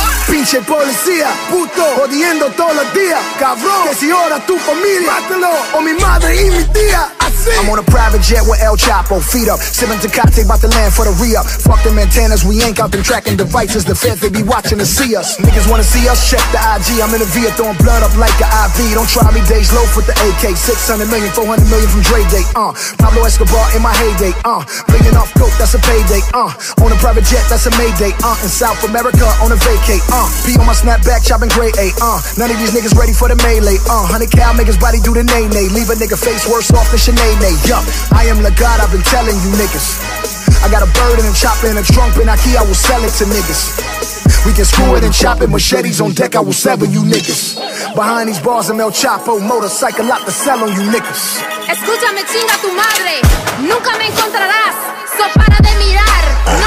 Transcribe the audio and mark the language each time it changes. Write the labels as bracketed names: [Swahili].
[Spanish] Pinche policía, puto, jodiendo todos los días. Cabrón, que si ahora tu familia. Mátalo, o mi madre y mi tía. [English] I'm on a private jet with El Chapo, feet up. Sipping Tecate, bout to land for the re-up. Fuck them antennas, we ain't got them tracking devices. The feds, they be watching to see us. Niggas wanna see us, check the IG. I'm in a Via throwing blood up like an IV. Don't try me, Dej Loaf with the AK. 600 million, 400 million from Dre Day, Pablo Escobar in my heyday, Bringing off coke, that's a payday, On a private jet, that's a mayday, In South America, on a vacay, Be on my snapback, chopping gray A, None of these niggas ready for the melee, 100 cal, make his body do the nay-nay. Leave a nigga face worse off than Chanel. Yup, I am the God, I've been telling you niggas. I got a bird and a chopper and a trunk and a key, I will sell it to niggas. We can screw it and chop it, machetes on deck, I will sever you niggas. Behind these bars, I'm El Chapo, motorcycle lot to sell on you niggas. [Spanish] Escúchame, chinga tu madre, nunca me encontrarás, so para de mirar.